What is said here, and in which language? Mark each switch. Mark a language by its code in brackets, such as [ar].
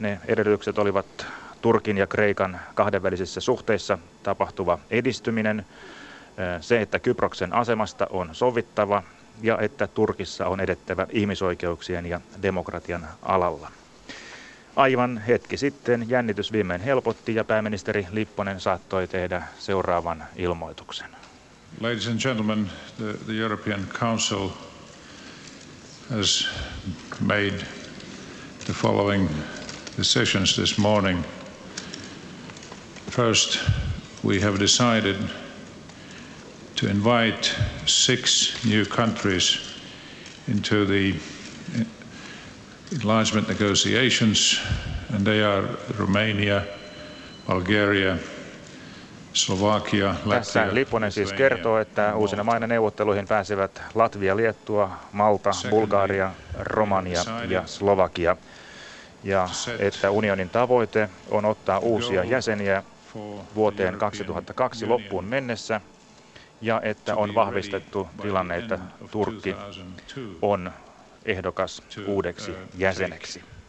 [fi] Ne edellytykset olivat Turkin ja Kreikan kahdenvälisissä suhteissa tapahtuva edistyminen, se, että Kyproksen asemasta on sovittava ja että Turkissa on edettävä ihmisoikeuksien ja demokratian alalla. Aivan hetki sitten jännitys viimein helpotti ja pääministeri Lipponen saattoi tehdä seuraavan ilmoituksen. [en] Ladies and gentlemen, the European Council has made the following decisions this morning. First, we have decided to invite 6 new countries into the enlargement negotiations, and they are Romania, Bulgaria, Slovakia, Latvia. [fi] Tässä Lipponen siis kertoo, että uusina maina neuvotteluihin pääsevät Latvia, Liettua, Malta, Bulgaria, Romania ja Slovakia. Ja että unionin tavoite on ottaa uusia jäseniä vuoteen 2002 loppuun mennessä ja että on vahvistettu tilanne, että Turkki on ehdokas uudeksi jäseneksi.